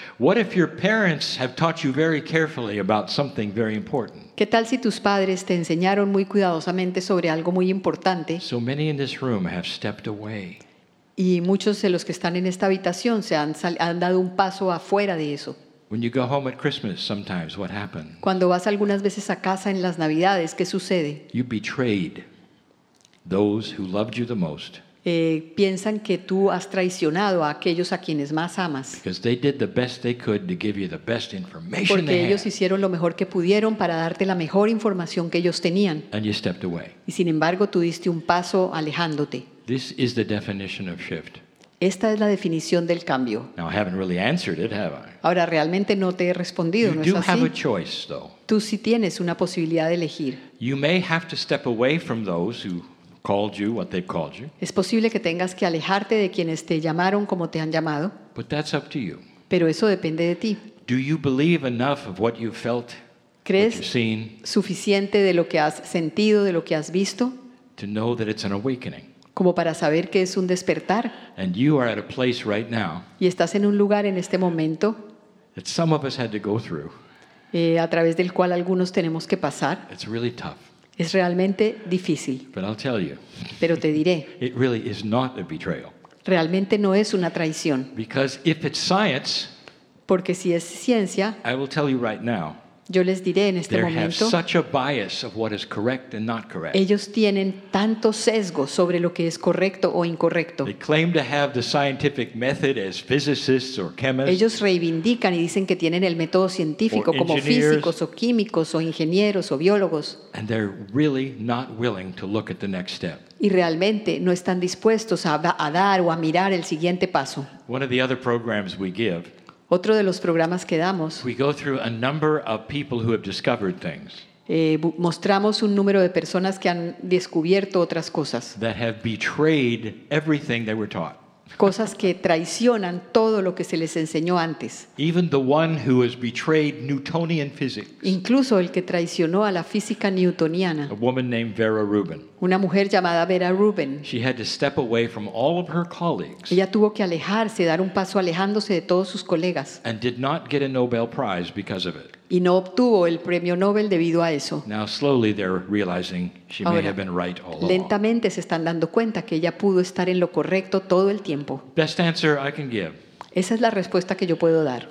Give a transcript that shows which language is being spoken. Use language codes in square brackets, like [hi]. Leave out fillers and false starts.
[en] What if your parents have taught you very carefully about something very important? [es] ¿Qué tal si tus padres te enseñaron muy cuidadosamente sobre algo muy importante? [en] So many in this room have stepped away. [es] Y muchos de los que están en esta habitación se han dado un paso afuera de eso. [en] When you go home at Christmas, sometimes what happened? [es] Cuando vas algunas veces a casa en las Navidades, ¿qué sucede? [en] You betrayed those who loved you the most. [es] Piensan que tú has traicionado a aquellos a quienes más amas. Porque ellos hicieron lo mejor que pudieron para darte la mejor información que ellos tenían. [en] And you stepped away. [es] Y sin embargo, tú diste un paso alejándote. [en] This is the definition of shift. [es] Esta es la definición del cambio. [en] Now, I haven't really answered it, have I? [es] Ahora, realmente no te he respondido, [en] you [es] ¿no [en] do [es] es así? [en] Have a choice, though. [es] Tú sí tienes una posibilidad de elegir. [en] You may have to step away from those who called you what they've called you. [es] Es posible que tengas que alejarte de quienes te llamaron como te han llamado. [en] But that's up to you. [es] Pero eso depende de ti. [en] Do you believe enough of what you've felt? [es] ¿Crees [en] what you've seen, [es] suficiente de lo que has sentido, de lo que has visto? [en] To know that it's an awakening. [es] Como para saber que es un despertar. [en] And you are at a place right now. [es] Y estás en un lugar en este momento. [en] That some of us had to go through. [es] A través del cual algunos tenemos que pasar. [en] It's really tough. [es] Es realmente difícil. [en] But I'll tell you, [es] pero te diré. [en] It really is not a betrayal. [es] Realmente no es una traición. [en] Because if it's science, [es] porque si es ciencia, [en] I will tell you right now, [es] yo les diré en este [en] there [es] momento, [en] have such a bias of what is correct and not correct. [es] Ellos tienen tanto sesgo sobre lo que es correcto o incorrecto. [en] They claim to have the scientific method as physicists or chemists. [es] Ellos reivindican y dicen que tienen el método científico como físicos o químicos o ingenieros o biólogos. [en] And they're really not willing to look at the next step. [es] Y realmente no están dispuestos a dar o a mirar el siguiente paso. [en] One of the other programs we give. [es] Otro de los programas que damos. [en] We go through a number of people who have discovered things. [es] Mostramos un número de personas que han descubierto otras cosas. [en] That have betrayed everything they were taught. [es] Cosas que traicionan todo lo que se les enseñó antes. [en] Even the one who has betrayed Newtonian physics. [es] Incluso el que traicionó a la física newtoniana. [en] A woman named Vera Rubin. [es] Una mujer llamada Vera Rubin. [en] She had to step away from all of her colleagues. [es] Ella tuvo que alejarse, dar un paso alejándose de todos sus colegas. [en] And did not get a Nobel Prize because of it. [es] Y no obtuvo el premio Nobel debido a eso. [en] Now slowly they're realizing she [es] ahora, [en] may have been right all along. [es] Lentamente se están dando cuenta que ella pudo estar en lo correcto todo el tiempo. [en] Best answer I can give. [es] Esa es la respuesta que yo puedo dar.